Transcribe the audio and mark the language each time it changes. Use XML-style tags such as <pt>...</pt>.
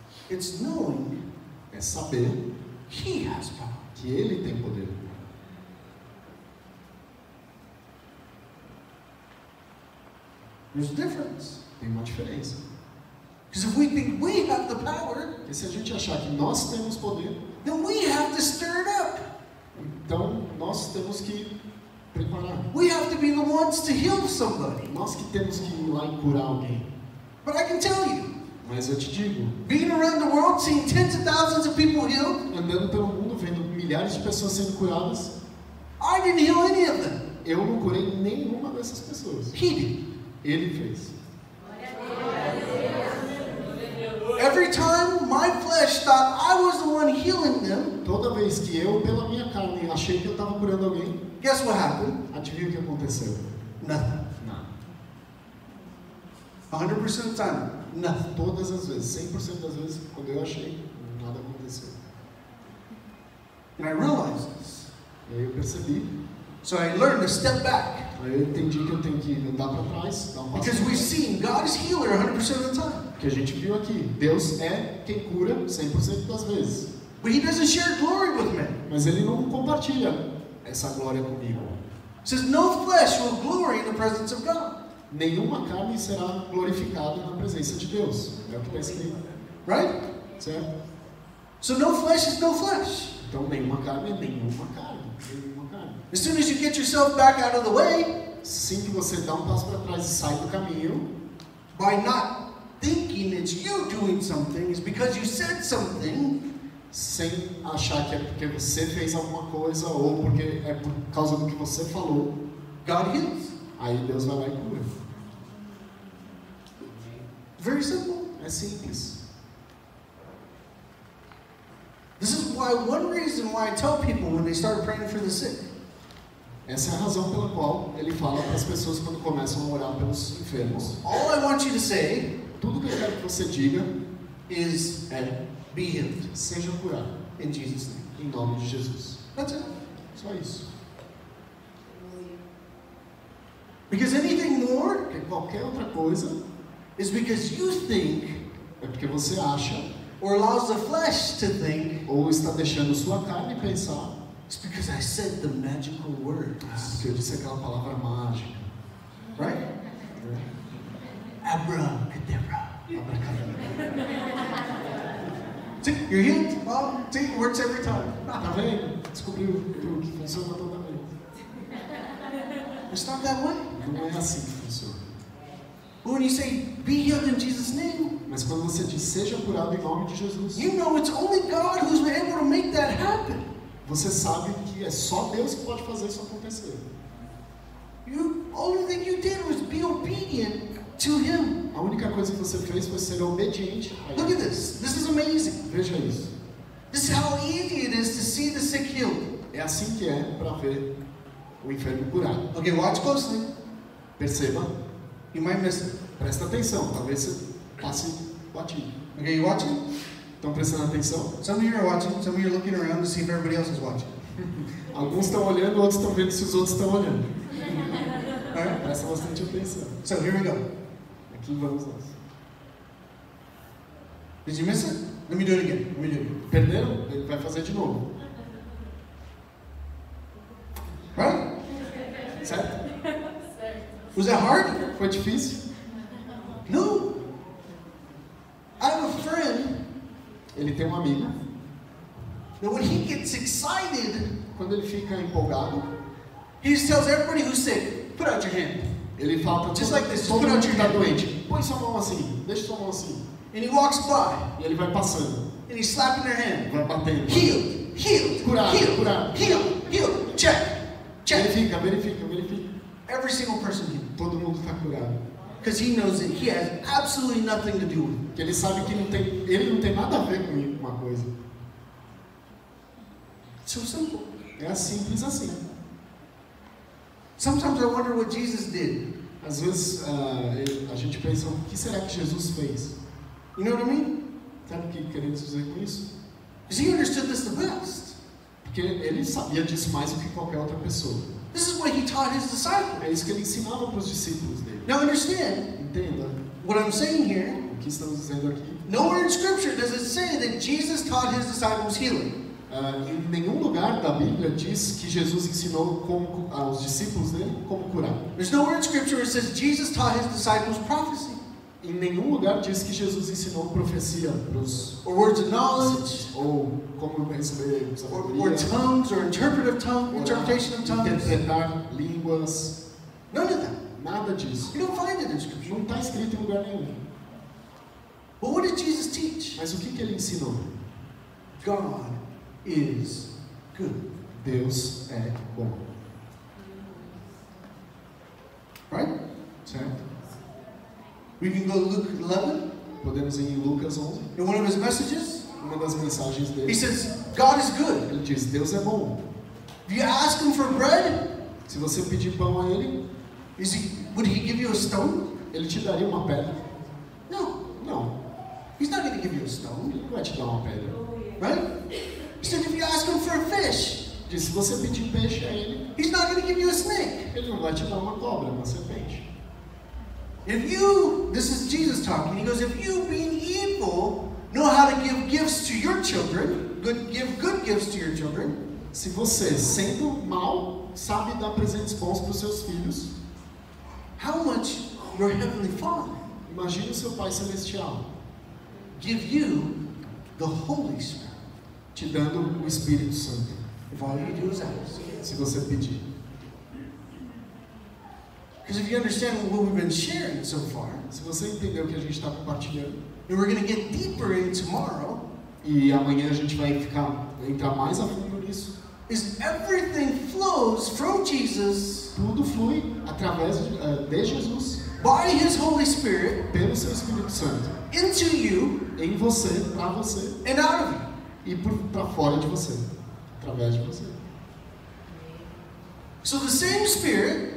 <en>It's knowing.</en> <pt>É saber.</pt> <en>He has power.</en> <pt>Que ele tem poder.</pt> <en>There's a difference.</en> <pt>Tem uma diferença.</pt> <en>Because if we think we have the power.</en> <pt>Se a gente achar que nós temos poder.</pt> <en>then we have to stir it up.</en> <pt>Então, nós temos que preparar.</pt> <en>We have to be the ones to heal somebody.</en> <pt>Nós que temos que ir lá e curar alguém.</pt> <en>But I can tell you.</en> <pt>Mas eu te digo.</pt> <en>Being around the world, seeing tens of thousands of people healed.</en> <pt>Andando pelo mundo, vendo milhares de pessoas sendo curadas.</pt> <en>I didn't heal any of them.</en> <pt>Eu não curei nenhuma dessas pessoas.</pt> <en>He did.</en> <pt>Ele fez.</pt> <en>Every time my flesh thought I was the one healing them.</en> <pt>Toda vez que eu, pela minha carne, achei que eu estava curando alguém.</pt> <en>Guess what happened?</en> <pt>Adivinha o que aconteceu? Nada. 100% do time. Nada. Todas as vezes, 100% das vezes, quando eu achei, nada aconteceu.</pt> <en>And I realized this.</en> <pt>E aí eu percebi.</pt> <en>So I learned to step back.</en> <pt>Aí eu entendi que eu tenho que andar para trás, dar um passo.</pt> <en>Because we've seen God is healer 100% of the time.</en> <pt>Que a gente viu aqui, Deus é quem cura 100% das vezes.</pt> <en>But he doesn't share glory with men.</en> <pt>Mas ele não compartilha essa glória comigo.</pt> <en>It says no flesh will glory in the presence of God.</en> <pt>Nenhuma carne será glorificada na presença de Deus. É o que está escrito.</pt> <en>Right?</en> <pt>Certo?</pt> <en>So no flesh is no flesh.</en> <pt>Então nenhuma carne é nenhuma carne. Nenhuma carne.</pt> <en>As soon as you get yourself back out of the way,</en> <pt>assim que você dá um passo para trás e sai do caminho,</pt> <en>by not thinking it's you doing something, it's because you said something.</en> <pt>Sem achar que é porque você fez alguma coisa ou porque é por causa do que você falou.</pt> <en>God heals.</en> <pt>Aí Deus vai lá e cura.</pt> <en>Very simple.</en> <pt>É simples.</pt> <en>This is why one reason why I tell people when they start praying for the sick.</en> <pt>Essa é a razão pela qual ele fala para as pessoas quando começam a orar pelos enfermos.</pt> <en>All I want you to say.</en> <pt>Tudo que eu quero que você diga</pt> <en>is be healed.</en> <pt>Seja curado.</pt> <en>In Jesus' name.</en> <pt>Em nome de Jesus.</pt> <en>That's it.</en> <pt>Só isso.</pt> <en>Because anything more,</en> <pt>que qualquer outra coisa,</pt> <en>is because you think,</en> <pt>é porque você acha,</pt> <en>or allows the flesh to think,</en> <pt>ou está deixando sua carne pensar,</pt> <en>it's because I said the magical words.</en> <pt>Porque eu disse aquela palavra mágica.</pt> <en>Right? Abraham, Kedebra, Abraham. See, you're healed. Well, see, it works every time.</en> <pt>Tá vendo? Descobri o que funciona toda vez.</pt> <en>It's not that way.</en> <pt>Não é assim que funciona.</pt> <en>But when you say, be healed in Jesus' name.</en> <pt>Mas quando você diz, seja curado em nome de Jesus.</pt> <en>You know it's only God who's been able to make that happen.</en> <pt>Você sabe que é só Deus que pode fazer isso acontecer.</pt> <en>You, only thing you did was be obedient to him.</en> <pt>A única coisa que você fez foi ser obediente.</pt> <en>Look at this. This is amazing.</en> <pt>Veja isso.</pt> <en>This is how easy it is to see the sick healed.</en> <pt>É assim que é para ver o enfermo curado.</pt> <en>Okay, watch closely.</en> <pt>Perceba.</pt> <en>You might miss it.</en> <pt>Presta atenção. Talvez você passe batido.</pt> <en>Okay, you watching?</en> <pt>Estão prestando atenção?</pt> <en>Some of you are watching. Some of you are looking around to see if everybody else is watching.</en> <pt>Alguns estão olhando, outros estão vendo se os outros estão olhando.</pt> <en>Alright,</en> <pt>presta bastante atenção.</pt> <en>So here we go.</en> <pt>Aqui vamos nós.</pt> <en>Did you miss it? Let me do it again. Let me do it.</en> <pt>Perderam? Ele vai fazer de novo.</pt> <en>Right?</en> <pt>Certo?</pt> <en>Was that hard?</en> <pt>Foi difícil?</pt> <en>No. I have a friend.</en> <pt>Ele tem um amigo.</pt> <en>That when he gets excited.</en> <pt>Quando ele fica empolgado.</pt> <en>He tells everybody who's sick, put out your hand.</en> <pt>Ele fala para</pt> <en>just like this,</en> <pt>todo</pt> <en>put out your</en> <pt>tá doente. Põe sua mão assim, deixa sua mão assim.</pt> <en>And he walks by.</en> <pt>E ele vai passando.</pt> <en>And he's slapping their hand.</en> <pt>Vai batendo.</pt> <en>Healed, healed,</en> <pt>curado,</pt> <en>healed,</en> <pt>curado.</pt> <en>Healed, healed, check, check.</en> <pt>Verifica, verifica, verifica.</pt> <en>Every single person here.</en> <pt>Todo mundo está curado.</pt> <en>Because he knows that he has absolutely nothing to do with it.</en> <pt>Que ele sabe que ele não tem nada a ver com uma coisa.</pt> <en>So simple.</en> <pt>É as simples assim.</pt> <en>Sometimes I wonder what Jesus did.</en> <pt>Às vezes a gente pensa, o que será que Jesus fez?</pt> <en>You know what I mean?</en> <pt>Sabe o que queremos dizer com isso?</pt> <en>Because he understood this the best.</en> <pt>Porque ele sabia disso mais do que qualquer outra pessoa.</pt> <en>This is what he taught his disciples.</en> <pt>É isso que ele ensinava para os discípulos dele.</pt> <en>Now understand.</en> <pt>Entenda.</pt> <en>What I'm saying here.</en> <pt>O que estamos dizendo aqui.</pt> <en>Nowhere in scripture does it say that Jesus taught his disciples healing.</en> <pt>Em nenhum lugar da Bíblia diz que Jesus ensinou aos discípulos dele como curar.</pt> <en>There's nowhere in scripture where it says Jesus taught his disciples prophecy.</en> <pt>Em nenhum lugar diz que Jesus ensinou profecia pros</pt> <en>or words of knowledge</en> <pt>ou como receber sabedoria</pt> <en>or tongues or interpretive tongue interpretation of tongues</en> <pt>interpretar línguas.</pt> <en>None of that.</en> <pt>Nada disso.</pt> <en>You don't find it in scripture.</en> <pt>Não está escrito em lugar nenhum.</pt> <en>But what did Jesus teach?</en> <pt>Mas o que que ele ensinou?</pt> <en>God is good.</en> <pt>Deus é bom.</pt> <en>Right?</en> <pt>Certo.</pt> <en>We can go to Luke 11.</en> <pt>Podemos ir em Lucas 11.</pt> <en>In one of his messages.</en> <pt>Uma das mensagens dele.</pt> <en>He says, God is good.</en> <pt>Ele diz, Deus é bom.</pt> <en>If you ask him for bread.</en> <pt>Se você pedir pão a ele.</pt> <en>Is he, would he give you a stone?</en> <pt>Ele te daria uma pedra.</pt> <en>No.</en> <pt>No.</pt> <en>He's not going to give you a stone.</en> <pt>Ele não vai te dar uma pedra.</pt> <en>Right? He said, if you ask him for a fish.</en> <pt>Diz, se você pedir peixe a ele.</pt> <en>He's not going to give you a snake.</en> <pt>Ele não vai te dar uma cobra, uma serpente.</pt> <en>If you, this is Jesus talking, he goes, if you being evil know how to give gifts to your children, good, give good gifts to your children.</en> <pt>Se você, sendo mal, sabe dar presentes bons para os seus filhos.</pt> <en>How much your heavenly Father.</en> <pt>Imagine seu Pai Celestial.</pt> <en>Give you the Holy Spirit.</en> <pt>Te dando o Espírito Santo.</pt> <en>If all you do is ask.</en> <pt>Se você pedir.</pt> <en>Because if you understand what we've been sharing so far,</en> <pt>se você entendeu o que a gente está compartilhando,</pt> <en>and we're going to get deeper in tomorrow,</en> <pt>e amanhã a gente vai ficar entrar mais a fundo nisso,</pt> <en>is everything flows from Jesus,</en> <pt>tudo flui através de Jesus,</pt> <en>by His Holy Spirit,</en> <pt>pelo seu Espírito Santo,</pt> <en>into you,</en> <pt>em você, para você,</pt> <en>and out of you,</en> <pt>e para fora de você, através de você.</pt> <en>So the same Spirit,</en>